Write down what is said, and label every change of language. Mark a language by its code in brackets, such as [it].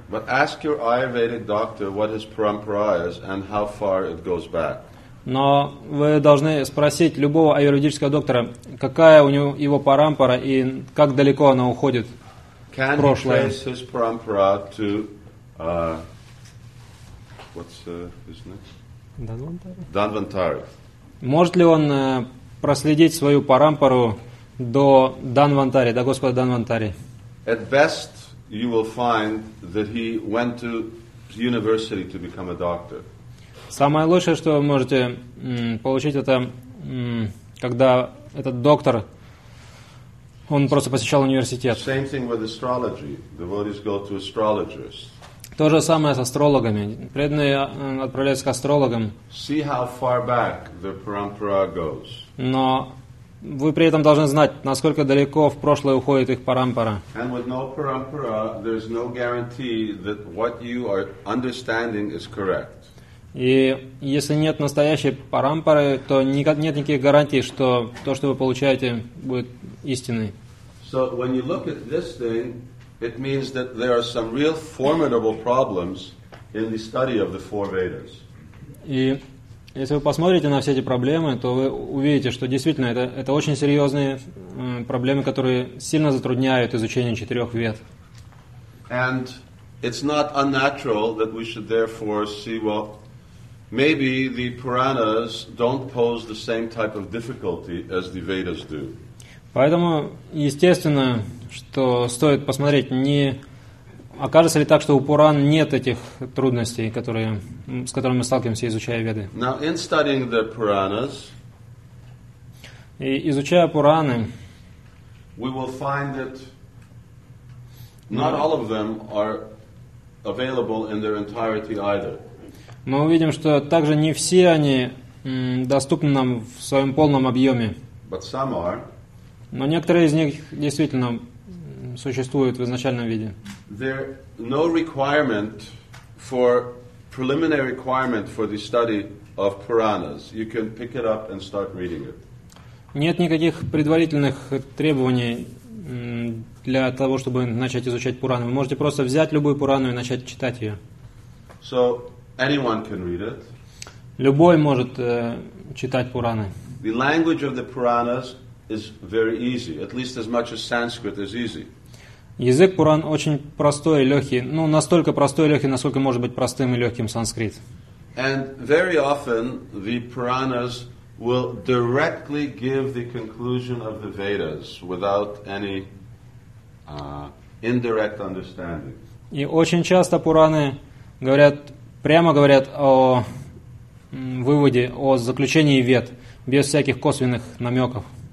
[en] But ask your Ayurvedic doctor what his parampara is and how far it goes back. [ru] Но вы должны спросить любого аюрведического доктора, какая у него его парампара и как далеко она уходит [en] Can [ru] в прошлое. [en] Can he trace his parampara to what's his name? Dhanvantari. [ru] Может ли он проследить свою парампару до Данвантари, до Господа Данвантари? [en] At best, you will find that he went to university to become a doctor. [ru] Самое лучшее, что вы можете получить, это когда этот доктор, он просто посещал университет. [en] Same thing with astrology. Devotees go to astrologists. [ru] То же самое с астрологами. Преданные отправляются к астрологам. [en] See how far back the parampara goes. [ru] Но вы при этом должны знать, насколько далеко в прошлое уходит их парампара. [en] And with no parampara, there's no guarantee that what you are understanding is correct. [ru] И если нет настоящей парампары, то нет никаких гарантий, что то, что вы получаете, будет истиной. [en] So when you look at this thing, it means that there are some real formidable problems in the study of the four Vedas. [ru] И если вы посмотрите на все эти проблемы, то вы увидите, что действительно это очень серьезные проблемы, которые сильно затрудняют изучение четырех вед. [en] And it's not unnatural that we should therefore see, well, maybe the Puranas don't pose the same type of difficulty as the Vedas do. [ru] Поэтому естественно, что стоит посмотреть, не окажется ли так, что у Пуран нет этих трудностей, с которыми мы сталкиваемся, изучая Веды. [en] Now, in studying the Puranas, [ru] и изучая Пураны, [en] we will find that not all of them are available in their entirety either. [ru] Мы увидим, что также не все они доступны нам в своем полном объеме. [en] But some are. [ru] Но некоторые из них действительно существуют в изначальном виде. [en] There no requirement for preliminary requirement for the study of Puranas. You can pick it up and start reading it. [ru] Нет никаких предварительных требований для того, чтобы начать изучать Пурану. Вы можете просто взять любую Пурану и начать читать ее. [en] So anyone can read it. [ru] Любой может читать Пураны. [en] The language of the Puranas is very easy, at least as much as Sanskrit is easy. [ru] Язык Пуран очень простой и легкий, настолько простой и легкий, насколько может быть простым и легким санскрит. [en] And very often the Puranas will directly give the conclusion of the Vedas without any indirect understanding. [ru] И очень часто Пураны прямо говорят о выводе, о заключении Вед, без всяких косвенных намеков.